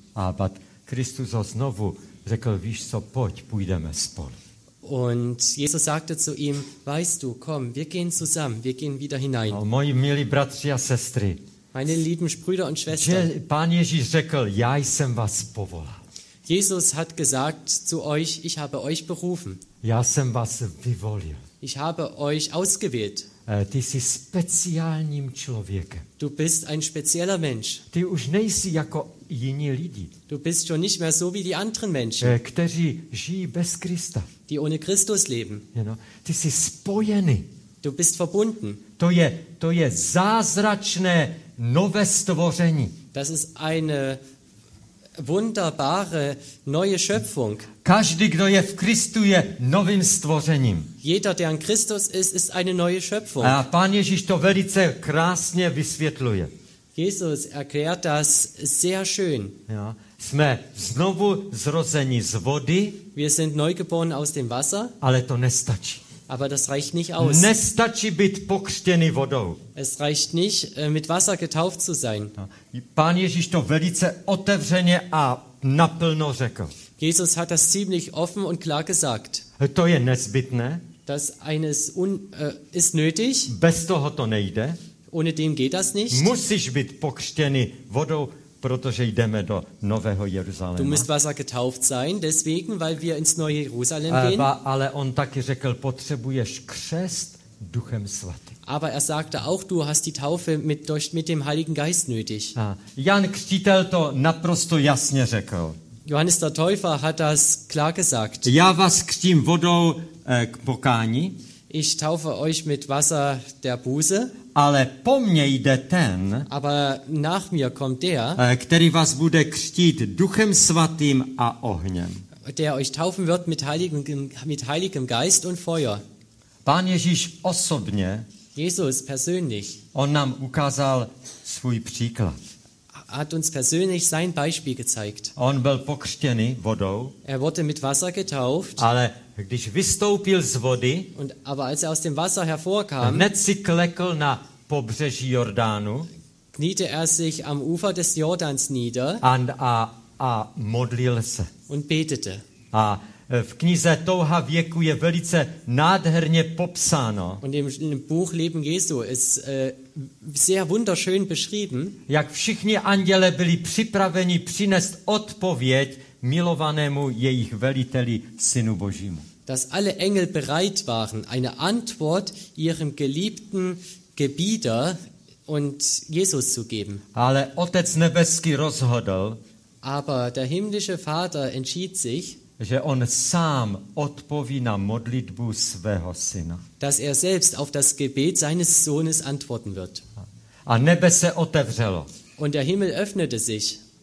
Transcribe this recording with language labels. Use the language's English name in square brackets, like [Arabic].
[Czech] Aber Christus ho znovu řekl, víš co, pojď, půjdeme spolu. [German] Und Jesus sagte zu ihm, weißt du, komm, wir gehen zusammen, wir gehen wieder hinein. [Czech] No, moji milí bratři a sestry, [German] meine lieben Brüder und Schwestern, [Czech] Pán Ježíš řekl, já jsem vás povolal. [German] Jesus hat gesagt zu euch, ich habe euch berufen. [Czech] Já jsem vás vyvolil. [German] Ich habe euch ausgewählt. [Czech] Ty jsi speciálním člověkem. [German] Du bist ein spezieller Mensch. [Czech] Ty už nejsi jako jiní lidi. [German] Du bist schon nicht mehr so wie die anderen Menschen. [Czech] Kteří žijí bez Krista. [German] Die ohne Christus leben. [English] You know? [Czech] Ty jsi spojený. [German] Du bist verbunden. [Czech] To je zázračné nové stvoření. [German] Das ist eine wunderbare neue Schöpfung. [Czech] Každý, kdo je v Kristu, je novým stvořením. [German] Jeder, der in Christus ist, ist eine neue Schöpfung. [Czech] A Pán Ježíš to velice krásně vysvětluje. [German] Jesus erklärt das sehr schön. [Czech] Ja, jsme znovu zrození z vody. [German] Wir sind neugeboren aus dem Wasser. [Czech] Ale to nestačí. [German] Aber das reicht nicht aus. [Czech] Nestačí být pokřtěný vodou. [German] Es reicht nicht, mit Wasser getauft zu sein. [Czech] Pán Ježíš to velice otevřeně a naplno řekl. [German] Jesus hat das ziemlich offen und klar gesagt. [Czech] To je nezbytné. [German] Das eines ist nötig. [Czech] Bez toho to nejde. [German] Ohne dem geht das nicht. [Czech] Musíš být pokřtěný vodou, protože jdeme do Nového Jeruzaléma. [German] Du musst Wasser getauft sein, deswegen, weil wir ins Neue Jerusalem gehen. [Czech] Ale on taky řekl, potřebuješ křest Duchem Svatým. [German] Aber er sagte auch, du hast die Taufe mit dem Heiligen Geist nötig. [Czech] Jan Křtitel to naprosto jasně řekl. [German] Johannes der Täufer hat das klar gesagt. [Czech] Já vás křtím vodou k pokání. [German] Ich taufe euch mit Wasser der Buße. [Czech] Ale po mně jde ten, [German] aber nach mir kommt der, [Czech] který vás bude křtít Duchem Svatým a ohněm. [German] Der euch taufen wird mit heiligem Geist und Feuer. [Czech] Pán Ježíš osobně, [German] Jesus persönlich, [Czech] on nám ukázal svůj příklad. [German] Hat uns persönlich sein Beispiel gezeigt. [Czech] On byl pokřtěný vodou. [German] Er wurde mit Wasser getauft. [Czech] Ale když vystoupil z vody, [German] aber als er aus dem Wasser hervorkam, [Czech] hned si klekl na pobřeží Jordánu, [German] kniete er sich am Ufer des Jordans nieder, [Czech] a modlil se. [German] Und betete. [Czech] A v knize Touha věku je velice nádherně popsáno. [German] Und im Buch Leben Jesu ist sehr wunderschön beschrieben. [Czech] Jak všichni anděle byli připraveni přinést odpověď milovanému jejich veliteli Synu Božímu. [German] Dass alle Engel bereit waren, eine Antwort ihrem geliebten Gebieter und Jesus zu geben. [Czech] Ale Otec nebeský rozhodl. [German] Aber der himmlische Vater entschied sich, [Czech] že on sám odpoví na modlitbu svého syna. [German] Dass er selbst auf das Gebet seines Sohnes antworten wird. [Czech] A nebe se otevřelo. [German] Und der Himmel öffnete sich.